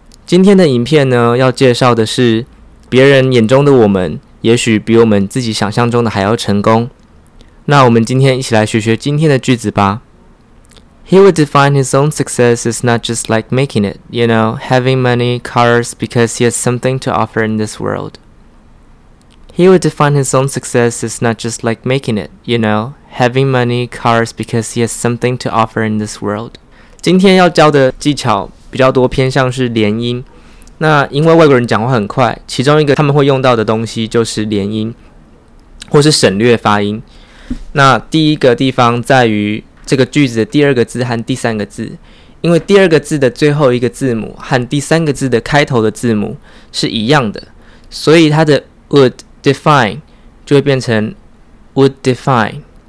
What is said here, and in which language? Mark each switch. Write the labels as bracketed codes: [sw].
[zh] 今天的影片呢，要介绍的是别人眼中的我们也许比我们自己想象中的还要成功。那我们今天一起来学学今天的句子吧。 [en] He would define his own success as not just like making it, you know, having money, cars, because he has something to offer in this world. He would define his own success as not just like making it, you know,Having money, cars, because he has something to offer in this world. [zh] 今天要教的技巧比较多偏向是连音。那因为外国人讲话很快，其中一个他们会用到的东西就是连音，或是省略发音。那第一个地方在于这个句子的第二个字和第三个字，因为第二个字的最后一个字母和第三个字的开头的字母是一样的，所以它的 [en] would define [zh] 就会变成 would define。